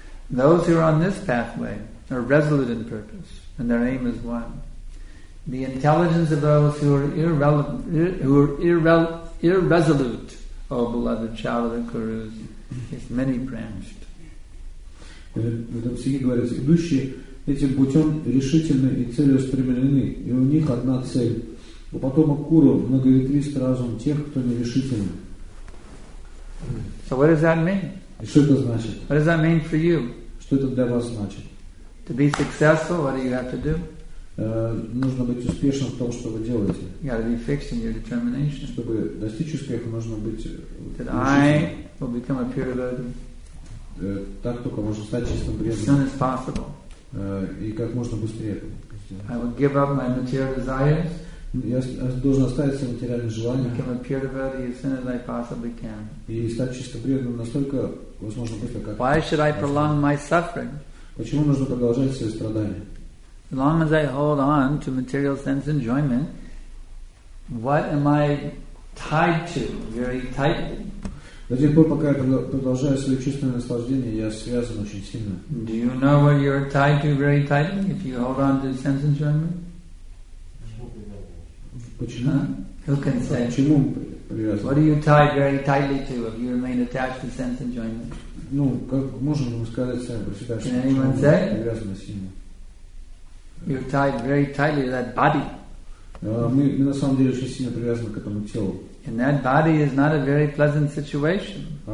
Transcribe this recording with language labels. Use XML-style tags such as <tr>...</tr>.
<en>Those who are on this pathway are resolute in purpose, and their aim is one. The intelligence of those who are irresolute, O beloved child of the Kurus, is many branched.</en> <ru>В этом стихе говорится, идущие этим путем решительны и целеустремлены, и у них одна цель. У потомок Куру многоветвист разум тех, кто нерешительны.</ru> <en>So what does that mean?</en> <ru>И что это значит?</ru> <en>What does that mean for you?</en> <ru>Что это для вас значит?</ru> <en>To be successful, what do you have to do?</en> <ru>Нужно быть успешным в том, что вы делаете.</ru> <en>You gotta be fixed in your determination.</en> <ru>Чтобы достичь успеха, нужно быть решительным. Так только можно стать чистым преданным. И как можно быстрее.</ru> <en>I will give up my material desires.</en> <ru>Я должен оставить все материальные желания.</ru> <en>As soon as I possibly can.</en> <ru>И стать чистым преданным настолько возможно быстро, как.</ru> <en>Why should I prolong my suffering?</en> <ru>Почему нужно продолжать свои страдания?</ru> <en>As long as I hold on to material sense enjoyment, what am I tied to very tightly?</en> <ru>До тех пор, пока я продолжаю свое чистое наслаждение, я связан очень сильно.</ru> <en>Do you know what you're tied to very tightly if you hold on to sense enjoyment?</en> <ru>Почему?</ru> <en>Who can say?</en> <ru>Почему?</ru> <en>What are you tied very tightly to if you remain attached to sense enjoyment?</en> <ru>Ну, как можем мы сказать сами про себя, что мы привязаны сильно?</ru> <en>You're tied very tightly to that body.</en> <ru>Мы на самом деле очень сильно привязаны к этому телу.</ru> <en>And that body is not a very pleasant situation.</en>